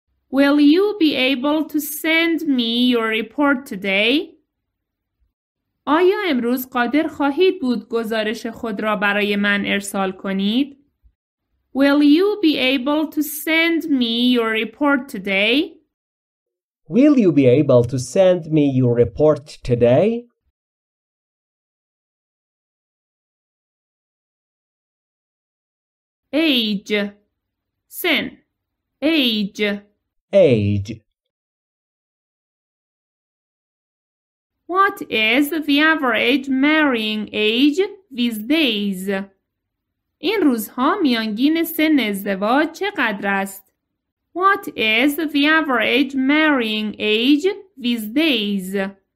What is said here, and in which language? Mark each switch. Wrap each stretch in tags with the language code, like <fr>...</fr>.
<en>Will you be able to send me your report today?</en> <fa>آیا امروز قادر خواهید بود گزارش خود را برای من ارسال کنید؟</fa> <en>Will you be able to send me your report today? Will you be able to send me your report today? Age.</en> <fa>Sin.</fa> <en>Age. Age. What is the average marrying age these days?</en> <fa>این روزها میانگین سن ازدواج چقدر است؟</fa> <en>What is the average marrying age these days?</en>